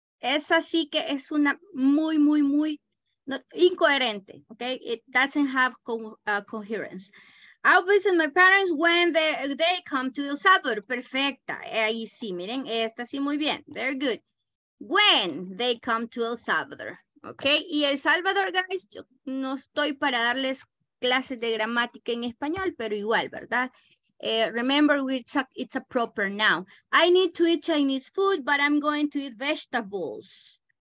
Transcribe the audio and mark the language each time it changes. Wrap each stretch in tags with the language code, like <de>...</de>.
<es>Esa sí que es una muy, muy, muy incoherente, okay?</es> <en>It doesn't have coherence. I'll visit my parents when they come to El Salvador.</en> <es>Perfecta. Ahí sí, miren, esta sí muy bien.</es> <en>Very good. When they come to El Salvador, okay?</en> <es>Y El Salvador, guys, yo no estoy para darles clases de gramática en español, pero igual, ¿verdad?</es> <en>Remember, it's a proper noun. I need to eat Chinese food, but I'm going to eat vegetables.</en>